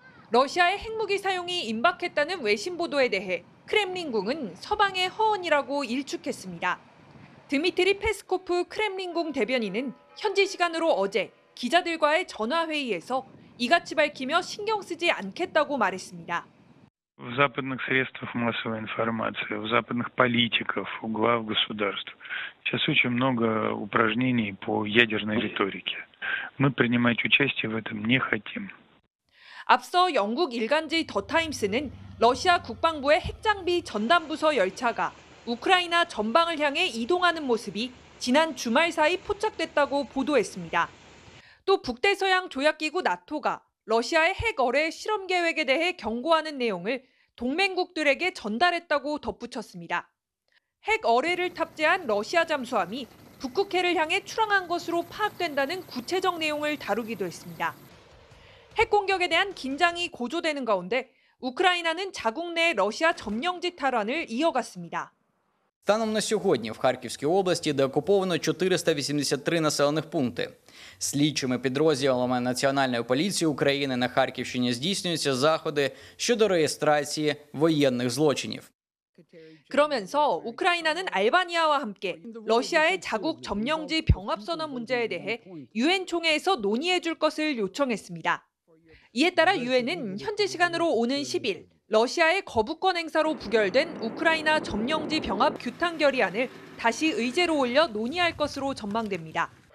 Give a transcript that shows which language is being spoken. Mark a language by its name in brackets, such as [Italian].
[Korean] 러시아의 핵무기 사용이 임박했다는 외신 보도에 대해 크렘린궁은 서방의 허언이라고 일축했습니다. 드미트리 페스코프 크렘린궁 대변인은 현지 시간으로 어제 기자들과의 전화회의에서 이같이 밝히며 신경 쓰지 않겠다고 말했습니다. [Russian] В западных средствах массовой информации, в западных политиков, у глав государств сейчас очень много упражнений по ядерной риторике. Мы принимать участие в этом не хотим. [Korean] 앞서 영국 일간지 더 타임스는 러시아 국방부의 핵장비 전담 부서 열차가 우크라이나 전방을 향해 이동하는 모습이 지난 주말 사이 포착됐다고 보도했습니다. 또 북대서양 조약기구 나토가 러시아의 핵 어뢰 실험 계획에 대해 경고하는 내용을 동맹국들에게 전달했다고 덧붙였습니다. 핵 어뢰를 탑재한 러시아 잠수함이 북극해를 향해 출항한 것으로 파악된다는 구체적 내용을 다루기도 했습니다. 핵 공격에 대한 긴장이 고조되는 가운데 우크라이나는 자국 내 러시아 점령지 탈환을 이어갔습니다. [Ukrainian] Станом на сьогодні в Харківській області деокуповано 483 населених пункти. Слідчими підрозділами Національної поліції України на Харківщині здійснюються заходи щодо реєстрації воєнних злочинів. [Korean] 그러면서 우크라이나는 알바니아와 함께 러시아의 자국 점령지 병합 선언 문제에 대해 유엔 총회에서 논의해 줄 것을 요청했습니다. 이에 따라 유엔은 현지 시간으로 오는 10일 러시아의 거부권 행사로 부결된 우크라이나 점령지 병합 규탄 결의안을 다시 의제로 올려 논의할 것으로 전망됩니다.